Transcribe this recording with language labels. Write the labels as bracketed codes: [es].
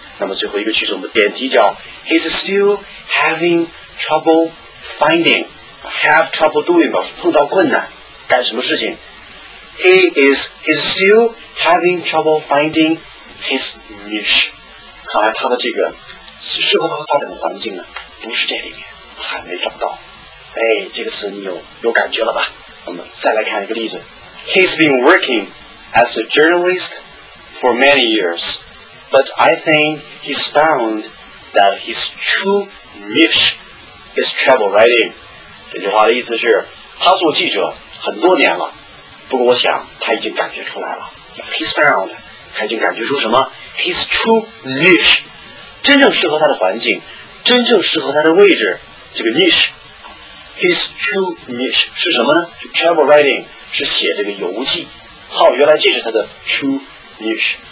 [zh] 那么最后一个句子，我们点题叫 [en] he's still having trouble finding， have trouble doing [zh] 表示碰到困难，干什么事情？ [en] he's still having trouble finding his niche， [zh] 看来他的这个适合他发展的环境呢，不是这里面，还没找到。哎，这个词你有感觉了吧？我们再来看一个例子。 [en] He's been working as a journalist for many years, but I think he's found that his true niche is travel writing. [zh] 这句话的意思是，他做记者很多年了，不过我想他已经感觉出来了。 He's found， 他已经感觉出什么？ [en] His true niche， [zh] 真正适合他的环境，真正适合他的位置，这个 niche。 [en] His true niche [zh] 是什么呢？是 travel writing， 是写这个游记。好，原来这是他的 true niche。